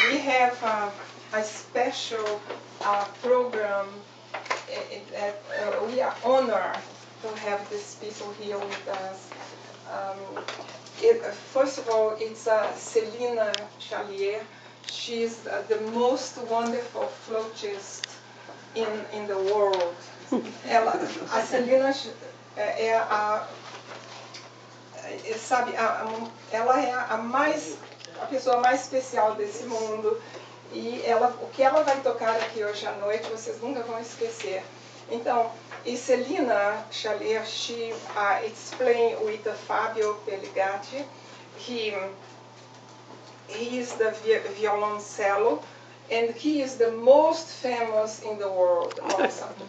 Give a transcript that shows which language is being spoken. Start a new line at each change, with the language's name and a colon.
English: We have a special program that we are honored to have these people here with us. First of all, it's Celina Charlier. She's the most wonderful flautist in the world.
Portuguese: Ela, a Celina é a... sabe, ela é a pessoa mais especial desse mundo, e ela, o que ela vai tocar aqui hoje à noite, vocês nunca vão esquecer. Então, e
English: Celina Charlier, she explained with Fabio Peligatti, he is the violoncello, and he is the most famous in the world, also.